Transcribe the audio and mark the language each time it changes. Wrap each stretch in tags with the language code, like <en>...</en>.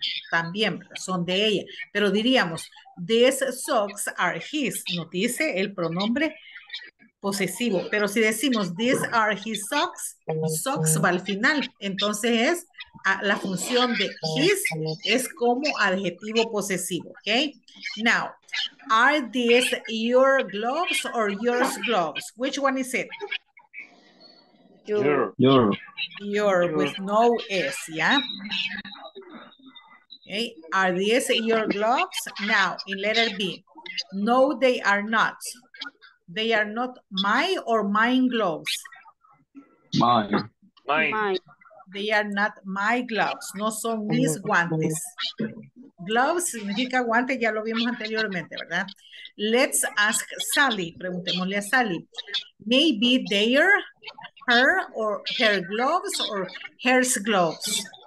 <es>También son de ella. Pero diríamos,</es> <en>these socks are his.</en> <es>Nos dice el pronombre posesivo. Pero si decimos,</es> <en>these are his socks,</en> <es>socks va al final. Entonces, es la función de his es como adjetivo posesivo, ¿ok?</es> <en>Now, are these your gloves or yours gloves? Which one is it? Your. With no S, ¿ya? Okay. Are these your gloves? Now, in letter B, no, they are not. They are not my or mine gloves? Mine. They are not my gloves.</en> <es>No son mis guantes. Gloves significa guante, ya lo vimos anteriormente, ¿verdad?</es> <en>Let's ask Sally.</en> <es>Preguntémosle a Sally.</es> <en>Maybe they are her or her gloves or hers gloves.</en>